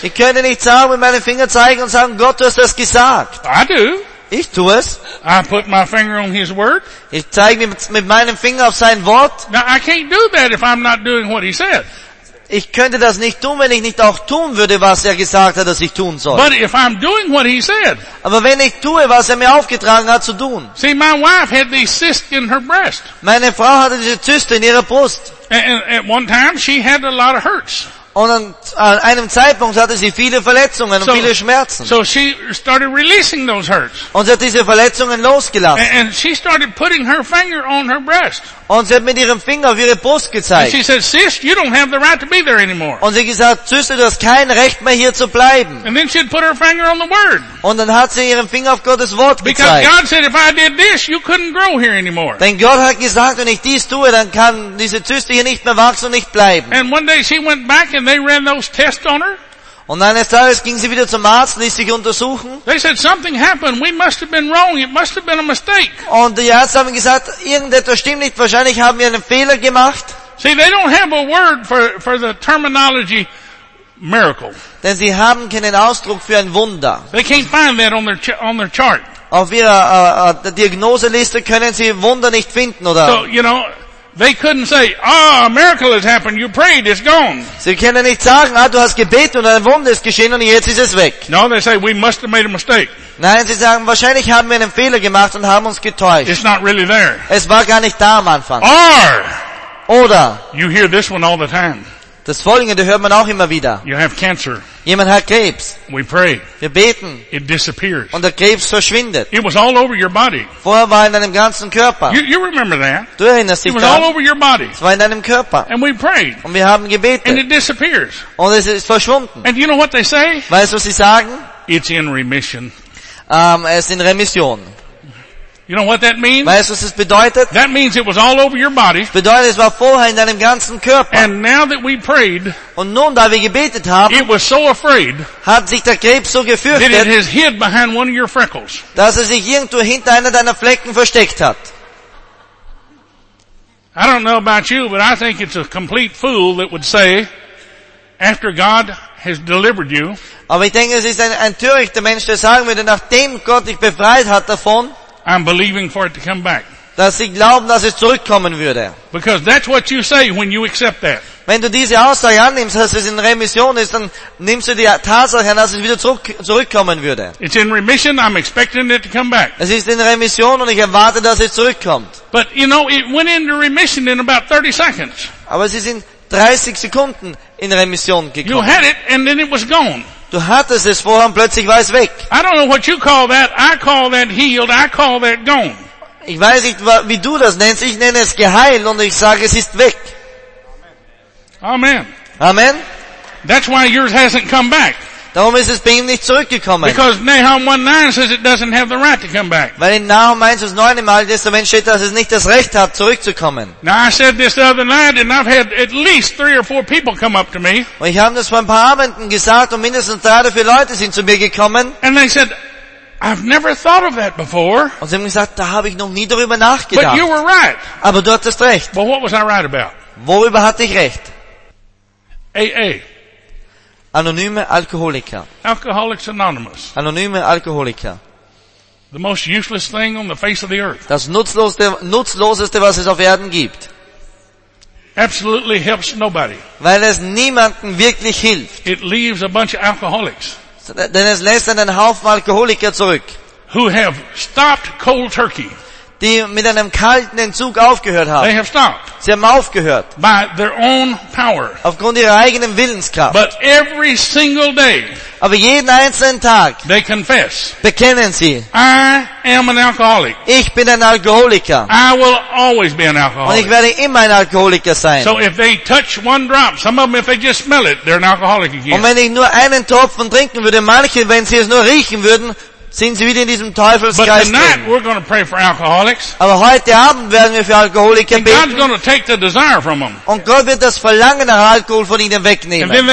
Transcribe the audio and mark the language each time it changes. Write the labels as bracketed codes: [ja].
[de] Ich könnte nicht sagen, mit meinem Finger zeigen und sagen, Gott, du hast das gesagt. [en] I do. [de] Ich tue es. [en] I put my finger on his word. [de] Ich zeige mit meinem Finger auf sein Wort. [en] Now I can't do that if I'm not doing what he said. [de] Ich könnte das nicht tun, wenn ich nicht auch tun würde, was er gesagt hat, dass ich tun soll. [en] But if I'm doing what he said. [de] Aber wenn ich tue, was er mir aufgetragen hat zu tun. [en] See, my wife had these cysts in her breast. [de] Meine Frau hatte diese Zyste in ihrer Brust. [en] And at one time she had a lot of hurts. [de] Und an einem Zeitpunkt hatte sie viele Verletzungen und viele Schmerzen. [en] So she started releasing those hurts. [de] Und sie hat diese Verletzungen losgelassen. [en] And she started putting her finger on her breast. [de] Und sie hat mit ihrem Finger auf ihre Brust gezeigt. [en] And she said, "Sis, you don't have the right to be there anymore." [de] Und sie gesagt, Süße, du hast kein Recht mehr hier zu bleiben. [en] And then she put her finger on the word. [de] Und dann hat sie ihren Finger auf Gottes Wort gezeigt. [en] Because God said, "If I did this, you couldn't grow here anymore." [de] Denn Gott hat gesagt, wenn ich dies tue, dann kann diese Zyste hier nicht mehr wachsen und nicht bleiben. [en] And one day she went back and they ran those tests on her. [de] Und eines Tages ging sie wieder zum Arzt, ließ sich untersuchen. [en] They said something happened. We must have been wrong. It must have been a mistake. [de] Und die Ärzte haben gesagt, irgendetwas stimmt nicht. Wahrscheinlich haben wir einen Fehler gemacht. [en] See, they don't have a word for the terminology miracle. [de] Denn sie haben keinen Ausdruck für ein Wunder. [en] They can't find that on their chart. [de] Auf ihrer Diagnoseliste können sie Wunder nicht finden, oder? [en] So, you know, they couldn't say, "Ah, a miracle has happened. You prayed, it's gone." [de] Sie können nicht sagen, ah, du hast gebetet und ein Wunder ist geschehen und jetzt ist es weg. [en] No, they say, "We must have made a mistake." [de] Nein, sie sagen, wahrscheinlich haben wir einen Fehler gemacht und haben uns getäuscht. [en] It's not really there. [de] Es war gar nicht da am Anfang. [en] Or, [de] oder, [en] you hear this one all the time. [de] Das Folgende hört man auch immer wieder. [en] You have cancer. [de] Jemand hat Krebs. [en] We pray. [de] Wir beten. [en] It disappears. [de] Und der Krebs verschwindet. [en] It was all over your body. [de] Vorher war in deinem ganzen Körper. [en] You remember that? [de] Du erinnerst dich daran. [en] It was all over your body. [de] Es war in deinem Körper. [en] And we prayed. [de] Und wir haben gebetet. [en] And it disappears. [de] Und es ist verschwunden. [en] And you know what they say? [de] Weißt du, was sie sagen? [en] It's in remission. [de] Es ist in Remission. [en] You know what that means? [de] Weißt du, was es bedeutet? [en] That means it was all over your body. [de] Bedeutet, es war vorher in deinem ganzen Körper. [en] And now that we prayed, [de] und nun, da wir gebetet haben, [en] it was so afraid, [de] hat sich der Krebs so gefürchtet, [en] that it has hid behind one of your freckles. [de] Dass er sich irgendwo hinter einer deiner Flecken versteckt hat. [en] I don't know about you, but I think it's a complete fool that would say, after God has delivered you, [de] aber ich denke, es ist ein törichter Mensch, der sagen würde, nachdem Gott dich befreit hat davon, [en] I'm believing for it to come back. [de] Dass sie glauben, dass es zurückkommen würde. [en] Because that's what you say when you accept that. [de] Wenn du diese Aussage annimmst, dass es in Remission ist, dann nimmst du die Tatsache an, dass es wieder zurückkommen würde. [en] It's in remission. I'm expecting it to come back. [de] Es ist in Remission und ich erwarte, dass es zurückkommt. [en] But you know, it went into remission in about 30 seconds. [de] Aber es ist in 30 Sekunden in Remission gekommen. [en] You had it and then it was gone. [de] Du hattest es vorher und plötzlich war es weg. [en] I don't know what you call that. I call that healed. I call that gone. [de] Ich weiß nicht, wie du das nennst. Ich nenne es geheilt und ich sage, es ist weg. [en] Amen. [de] Amen. [en] That's why yours hasn't come back. [de] Darum ist es bei ihm nicht zurückgekommen. [en] Because Nahum 1:9 says it doesn't have the right to come back. [de] Weil in Nahum 1:9 im Alten Testament steht, dass es nicht das Recht hat, zurückzukommen. [en] Now I said this the other night, and I've had at least 3 or 4 people come up to me. [de] Und ich habe das vor ein paar Abenden gesagt, und mindestens 3 oder 4 Leute sind zu mir gekommen. [en] And they said, "I've never thought of that before." [de] Und sie haben gesagt, da habe ich noch nie darüber nachgedacht. [en] But you were right. [de] Aber du hattest recht. [en] But what was I right about? [de] Worüber hatte ich recht? [en] AA. [de] Anonyme Alkoholiker. [en] Alcoholics Anonymous. [de] Anonyme Alkoholiker. [en] The most useless thing on the face of the earth. [de] Das nutzloseste, was es auf Erden gibt. [en] Absolutely helps nobody. [de] Weil es niemanden wirklich hilft. [en] It leaves a bunch of alcoholics. [de] Denn es lässt einen Haufen Alkoholiker zurück. [en] Who have stopped cold turkey. [de] Die mit einem kalten Entzug aufgehört haben. [en] They have stopped. [de] Sie haben aufgehört. [en] By their own power. [de] Aufgrund ihrer eigenen Willenskraft. [en] But every single day. [de] Aber jeden einzelnen Tag. [en] They confess. [de] Bekennen sie. [en] I am an alcoholic. [de] Ich bin ein Alkoholiker. [en] I will always be an alcoholic. [de] Und ich werde immer ein Alkoholiker sein. [en] So if they touch one drop, some of them if they just smell it, they're an alcoholic again. [de] Und wenn ich nur einen Tropfen trinken würde, manche, wenn sie es nur riechen würden, sind sie wieder in diesem Teufelskreis drin. Aber heute Abend werden wir für Alkoholiker beten. Und Gott wird das Verlangen nach Alkohol von ihnen wegnehmen.